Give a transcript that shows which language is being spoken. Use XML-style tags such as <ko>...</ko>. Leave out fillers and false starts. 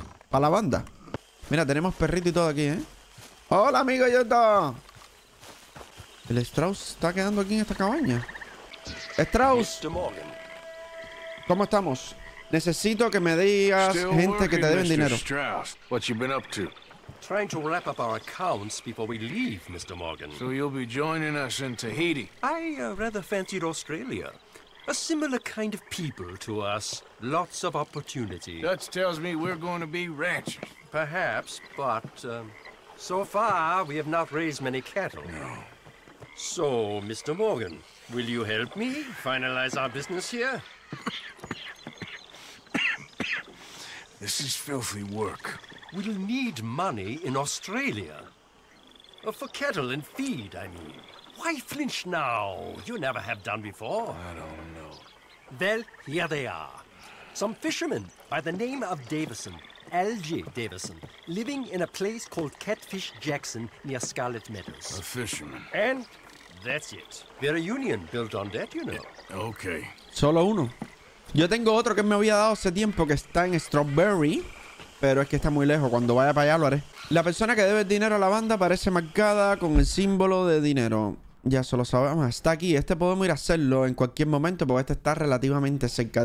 <es>Para la banda. Mira, tenemos perrito y todo aquí, ¿eh? ¡Hola, amigo! ¿Y está? ¿El Strauss está quedando aquí en esta cabaña? ¡Strauss! ¿Cómo estamos? Necesito que me digas gente que te deben dinero.</es> <en>Strauss, what you been up to? Trying to wrap up our accounts before we leave, Mr. Morgan. So you'll be joining us in Tahiti? I rather fancied Australia. A similar kind of people to us. Lots of opportunity. Dutch tells me we're going to be ranchers. Perhaps, but so far we have not raised many cattle. No. So, Mr. Morgan, will you help me finalize our business here? This is filthy work. We'll need money in Australia. For cattle and feed, I mean. Why flinch now? You never have done before. I don't know. Well, here they are. Some fishermen by the name of Davison, Algie Davison, living in a place called Catfish Jackson near Scarlet Meadows. A fisherman. And that's it. We're a union built on that, you know. Okay.</en> <es>Solo uno. Yo tengo otro que me había dado hace tiempo que está en Strawberry, pero es que está muy lejos. Cuando vaya para allá lo haré. La persona que debe dinero a la banda parece marcada con el símbolo de dinero. Ya solo sabemos. Está aquí. Este podemos ir a hacerlo en cualquier momento porque este está relativamente cerca.</es>